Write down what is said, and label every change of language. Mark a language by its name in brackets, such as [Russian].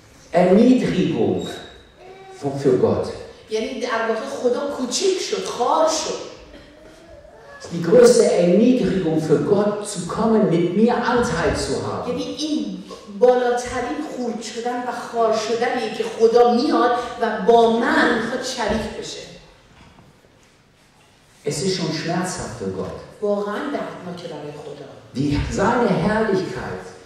[German] Erniedrigung für Gott. Die größte Erniedrigung für Gott zu kommen, mit mir Anteil zu haben. [Persian] بالاترین خرد شدن و خار شدن یه که خدا میاد و با من خود شریک بشه. [German] Es ist schon schmerzhaft für Gott. [Persian] واقعا دردناک برای خدا. [German] Die seine Herrlichkeit.